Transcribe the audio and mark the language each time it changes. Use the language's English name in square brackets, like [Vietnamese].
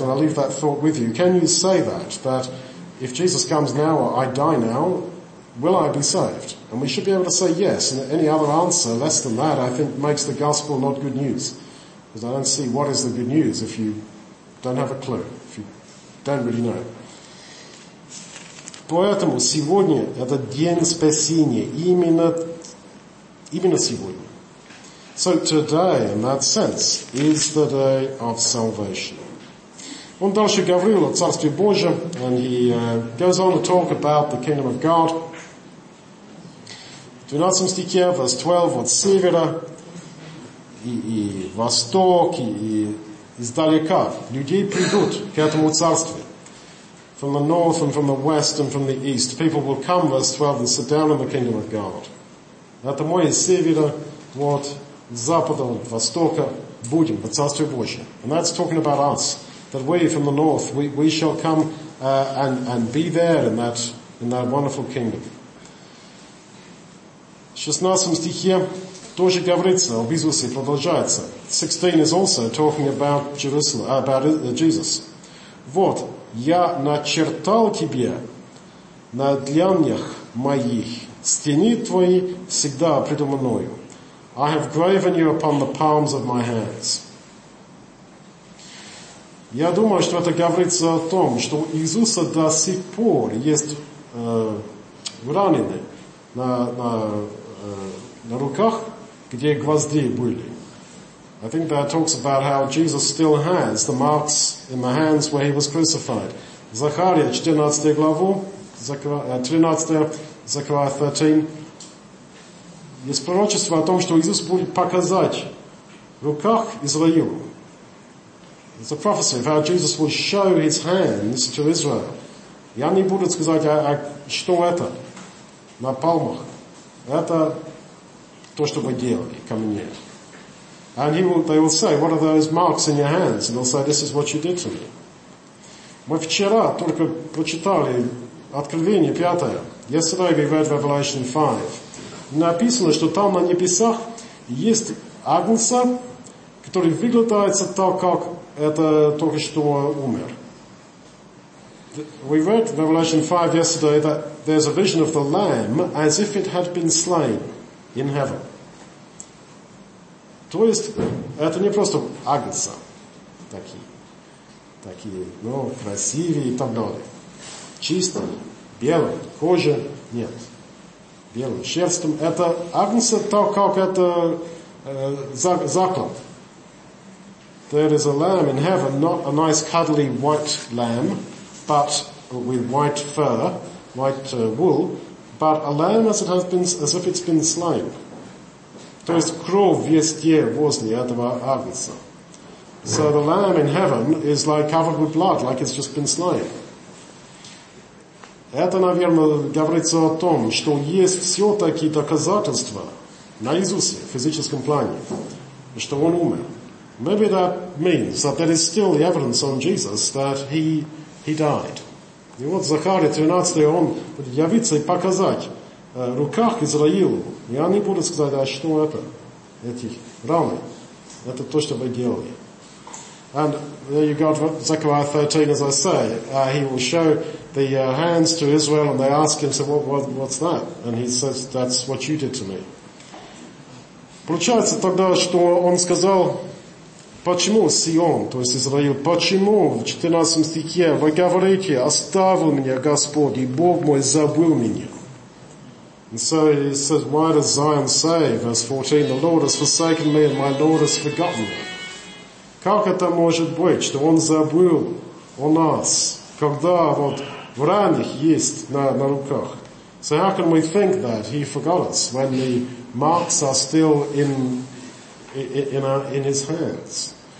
[English] And I'll leave that thought with you. Can you say that, that if Jesus comes now or I die now, will I be saved? And we should be able to say yes. And any other answer less than that, I think, makes the gospel not good news. Because I don't see what is the good news if you don't have a clue. Don't really know. [Russian] Поэтому сегодня это день спасения. Именно сегодня. [English] So today, in that sense, is the day of salvation. [Russian] Он дальше говорил о Царстве Божьем, [English] and he goes on to talk about the kingdom of God. [Russian] В 12 стихе, [English] verse 12, [Russian] от севера, и восток, и издалека людей придут к этому царству. [English] From the north and from the west and from the east. People will come, verse 12, and sit down in the kingdom of God. [Russian] Это мой севера, вот, запада, востока, будем, в Царстве Божьем. [English] And that's talking about us. That we, from the north, we shall come and be there in that wonderful kingdom. [Russian] В 16 стихе тоже говорится, об Иисусе продолжается. [English] 16 is also talking about Jerusalem, about Jesus. [Russian] Вот, я начертал тебе на дланях моих, стени твои всегда предо мною. [English] I have graven you upon the palms of my hands. [Russian] Я думаю, что это говорится о том, что у Иисуса до сих пор есть ранены на руках, где гвозди были. [English] I think that talks about how Jesus still has the marks in the hands where he was crucified. [Russian] Захария, 14 главу, Zechariah 13, есть пророчество о том, что Иисус будет показать в руках Израилу. [English] It's a prophecy of how Jesus will show his hands to Israel. [Russian] И они будут сказать, а что это на пальмах? Это то, что вы делали ко мне. [English] And they will say, what are those marks in your hands? And they'll say, this is what you did to me. [Russian] Мы вчера только прочитали Откровение 5. [English] Yesterday we read Revelation 5. [Russian] Написано, что там на небесах есть Агнца, который выглядит так, как это только что умер. [English] We read Revelation 5 yesterday that there's a vision of the Lamb as if it had been slain in heaven. [Russian] То есть, это не просто Агнца. Такие, ну, красивые и так далее. Чистые, белые, кожа, нет. Белым шерстом. Это Агнца так, как это заклад. [English] There is a lamb in heaven, not a nice cuddly white lamb, but with white fur, white wool, but a lamb as it has been, as if it's been slain. [Russian] То есть кровь есть е возле этого Агнца. [English] So the lamb in heaven is like covered with blood, like it's just been slain. [Russian] Это, наверное, говорится о том, что есть все-таки доказательства на Иисусе в физическом плане, что Он умер. [English] Maybe that means that there is still the evidence on Jesus that he died. [Russian] И вот Захария 13, он будет явиться и показать руках Израилу, и они будут сказать, а что это, эти раны, это то, что вы делали. [English] And there you go, Zechariah 13, as I say, he will show the hands to Israel, and they ask him, so what's that? And he says, that's what you did to me. [Russian] Получается тогда, что он сказал, почему Сион, то есть Израиль, почему в 14 стихе вы говорите, оставил меня Господь, и Бог мой забыл меня? [English] And so he says, why does Zion say, verse 14, the Lord has forsaken me, and my Lord has forgotten me? [Russian] Как это может быть, что он забыл о нас, когда вот в ранах есть на руках? [English] So how can we think that he forgot us when the marks are still in his hands?